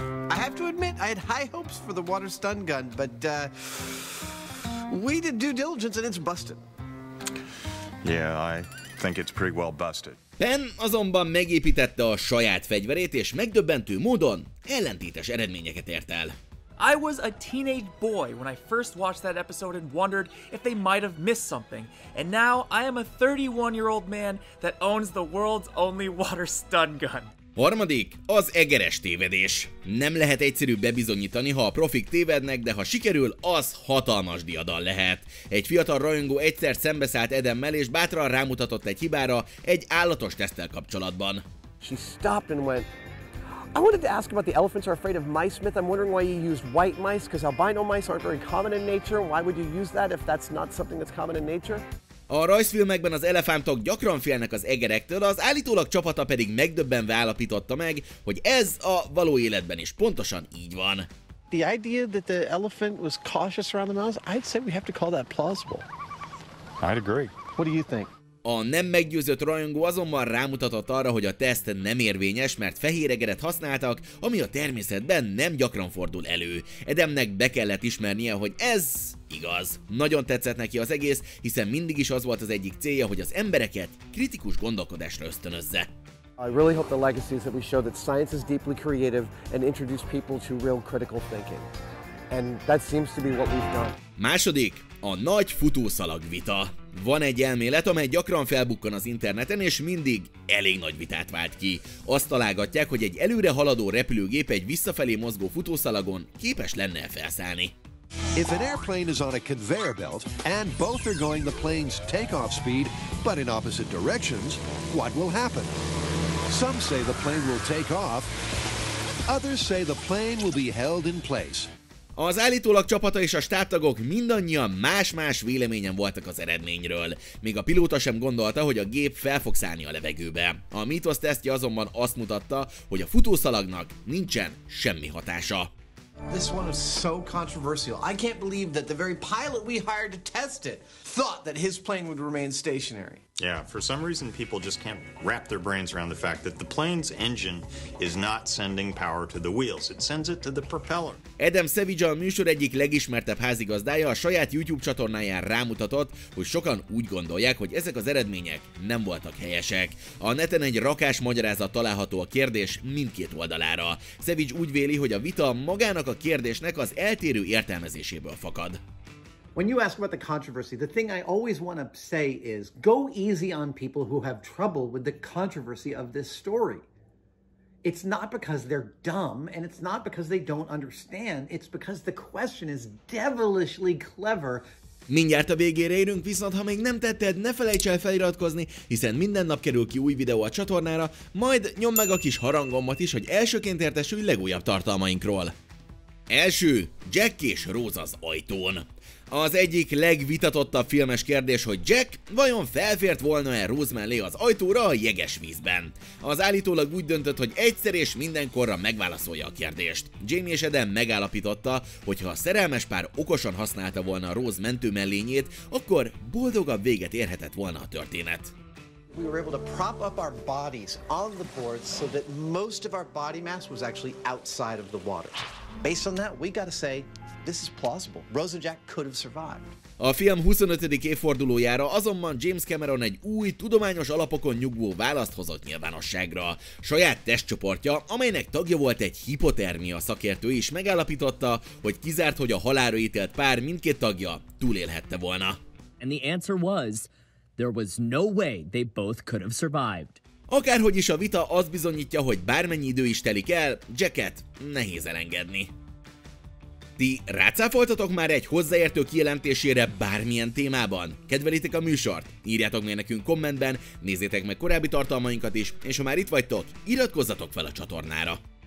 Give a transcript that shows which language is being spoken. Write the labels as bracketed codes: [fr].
[en] I have to admit, I had high hopes for the water stun gun, but we did due diligence and it's busted. Yeah, I think it's pretty well busted. [hu] Penn azonban megépítette a saját fegyverét, és megdöbbentő módon ellentétes eredményeket ért el. [en] I was a teenage boy when I first watched that episode and wondered if they might have missed something. And now I am a 31-year-old man that owns the world's only water stun gun. [hu] 3. Az egeres tévedés. Nem lehet egyszerű bebizonyítani, ha a profik tévednek, de ha sikerül, az hatalmas diadal lehet. Egy fiatal rajongó egyszer szembeszállt Adammel és bátran rámutatott egy hibára egy állatos teszttel kapcsolatban. [en] She stopped and went. I wanted to ask about the elephants are afraid of mice, Smith. I'm wondering why you use white mice, because albino mice aren't very common in nature. Why would you use that if that's not something that's common in nature? [hu] A rajzfilmekben az elefántok gyakran félnek az egerektől, az állítólag csapata pedig megdöbbenve állapította meg, hogy ez a való életben is pontosan így van. [en] The idea that the elephant was cautious around the mouse, I'd say we have to call that plausible. I'd agree. What do you think? [hu] A nem meggyőzött rajongó azonban rámutatott arra, hogy a teszt nem érvényes, mert fehér egeret használtak, ami a természetben nem gyakran fordul elő. Adamnek be kellett ismernie, hogy ez igaz. Nagyon tetszett neki az egész, hiszen mindig is az volt az egyik célja, hogy az embereket kritikus gondolkodásra ösztönözze. [en] I really hope the legacy is that we show that science is deeply creative and introduce people to real critical thinking. And that seems to be what we've done. [hu] 2. a nagy futószalag vita. Van egy elmélet, amely gyakran felbukkan az interneten, és mindig elég nagy vitát vált ki. Azt találgatják, hogy egy előre haladó repülőgép egy visszafelé mozgó futószalagon képes lenne felszállni. [en] If an airplane is on a conveyor belt and both are going the plane's takeoff speed but in opposite directions, what will happen? Some say the plane will take off. Others say the plane will be held in place. [hu] Az állítólag csapata és a stábtagok mindannyian más-más véleményen voltak az eredményről. Még a pilóta sem gondolta, hogy a gép fel fog szállni a levegőbe. A Mythos tesztje azonban azt mutatta, hogy a futószalagnak nincsen semmi hatása. [en] This one is so controversial. I can't believe that the very pilot we hired to test it thought that his plane would remain stationary. Yeah, for some reason people just can't wrap their brains around the fact that the plane's engine is not sending power to the wheels. It sends it to the propeller. [hu] Adam Savage, a műsor egyik legismertebb házigazdája, a saját YouTube csatornáján rámutatott, hogy sokan úgy gondolják, hogy ezek az eredmények nem voltak helyesek. A neten egy rakás magyarázat található a kérdés mindkét oldalára. Savage úgy véli, hogy a vita magának a kérdésnek az eltérő értelmezéséből fakad. [en] When you ask about the controversy, the thing I always want to say is, go easy on people who have trouble with the controversy of this story. It's not because they're dumb, and it's not because they don't understand, it's because the question is devilishly clever. [hu] Mindjárt a végére érünk, viszont ha még nem tetted, ne felejts el feliratkozni, hiszen minden nap kerül ki új videó a csatornára, majd nyomd meg a kis harangomat is, hogy elsőként értesülj legújabb tartalmainkról. Első, Jack és Rose az ajtón. Az egyik legvitatottabb filmes kérdés, hogy Jack vajon felfért volna-e Rose mellé az ajtóra a jeges vízben. Az állítólag úgy döntött, hogy egyszer és mindenkorra megválaszolja a kérdést. Jamie és Adam megállapította, hogy ha a szerelmes pár okosan használta volna a Rose mentő mellényét, akkor boldogabb véget érhetett volna a történet. [en] We were able to prop up our bodies on the boards so that most of our body mass was actually outside of the water. Based on that, we gotta say, this is plausible. Rose and Jack could have survived. [hu] A film 25. évfordulójára azonban James Cameron egy új, tudományos alapokon nyugvó választ hozott nyilvánosságra. Saját testcsoportja, amelynek tagja volt egy hipotermia szakértő is megállapította, hogy kizárt, hogy a halálra ítélt pár mindkét tagja túlélhette volna. [en] And the answer was, there was no way they both could have survived. [hu] Akárhogy is a vita azt bizonyítja, hogy bármennyi idő is telik el, Jacket nehéz elengedni. Ti rácáfoltatok már egy hozzáértő kijelentésére bármilyen témában? Kedvelitek a műsort? Írjátok meg nekünk kommentben, nézzétek meg korábbi tartalmainkat is, és ha már itt vagytok, iratkozzatok fel a csatornára!